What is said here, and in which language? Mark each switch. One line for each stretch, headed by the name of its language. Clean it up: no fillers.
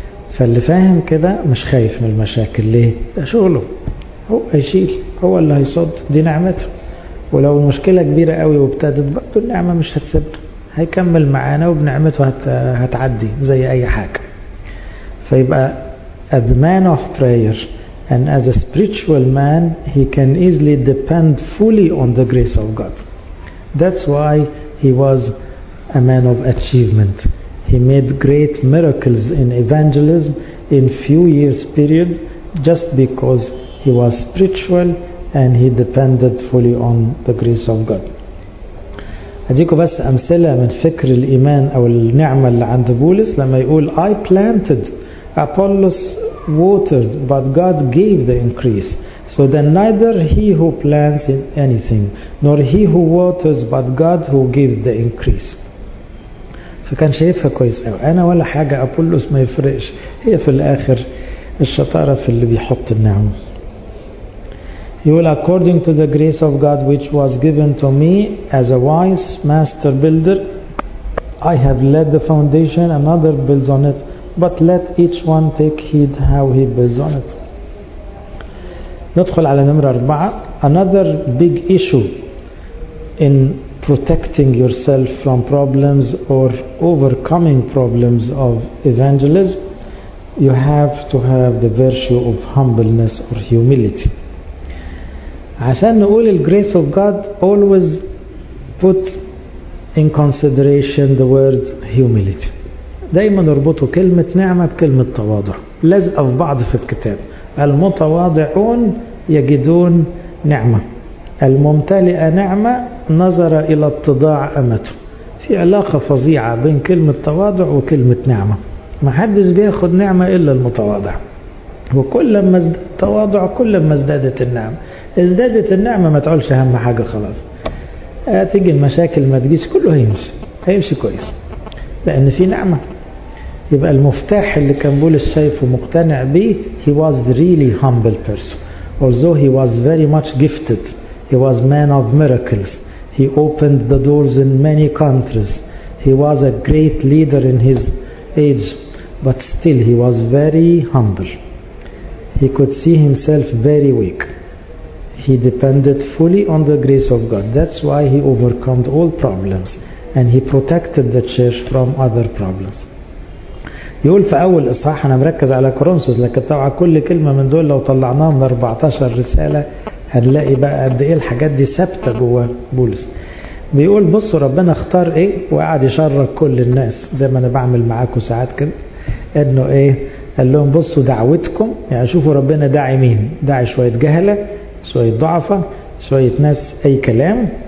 Arabic: فاللي فاهم كده مش خايف من المشاكل. ليه؟ ده شغله، هو يشيل، هو اللي هيصد، دي نعمته. ولو المشكلة كبيرة قوي وابتدت برضو النعمة مش هتسبر، هيكمل معانا وبنعمته هتعدي زي اي حاجة.
English: فيبقى a man of prayer and as a spiritual man he can easily depend fully on the grace of God. That's why he was a man of achievement. He made great miracles in evangelism in few years period just because he was spiritual and he depended fully on the grace of God.
Arabic: هديكم بس أمثلة من فكر الإيمان أو النعمة اللي عند بولس لما يقول
English: I planted, Apollos watered, but God gave the increase. So then neither he who plants anything nor he who waters, but God who gives the increase.
Arabic: فكان شايفها كويس قوي، أنا ولا حاجة، أبولوس ما يفرقش، هي في الآخر الشطارة في اللي بيحط النعم.
English: He will according to the grace of God which was given to me as a wise master builder. I have laid the foundation, another builds on it. But let each one take heed how he builds on it.
Arabic: ندخل على نمرة أربعة.
English: Another big issue in protecting yourself from problems or overcoming problems of evangelism, you have to have the virtue of humbleness or humility.
Arabic: عشان نقول
English: the grace of God always put in consideration the word humility.
Arabic: دايما نربطه كلمة نعمة بكلمة تواضع، لازقة في بعض في الكتاب. المتواضعون يجدون نعمة، الممتلئ نعمة نظر إلى اتضاع أمته. في علاقة فظيعة بين كلمة تواضع وكلمة نعمة، محدش بياخد نعمة إلا المتواضع، وكلما ازداد تواضع كلما ازدادت النعمة. ازدادت النعمة ما تقولش أهم حاجة خلاص، تيجي المشاكل ما تجيش كله هيمشي كويس، لأن في نعمة. يبقى المفتاح اللي كان بولس شايفه مقتنع بيه،
English: he was really humble person although he was very much gifted. He was man of miracles. He opened the doors in many countries. He was a great leader in his age, but still he was very humble. He could see himself very weak. He depended fully on the grace of God. That's why he overcame all problems and he protected the church from other problems.
Arabic: يقول في أول إصحاح، أنا مركز على كورنثوس لكن طبعا كل كلمة من دول لو طلعناها من 14 رسالة هنلاقي بقى قد إيه الحاجات دي ثابتة جوه بولس. بيقول بصوا ربنا اختار إيه، وقعد يشرك كل الناس زي ما أنا بعمل معاكم ساعات كده، إنه إيه، قال لهم بصوا دعوتكم، يعني شوفوا ربنا داعي مين، داعي شوية جهلة، شوية ضعفة، شوية ناس أي كلام،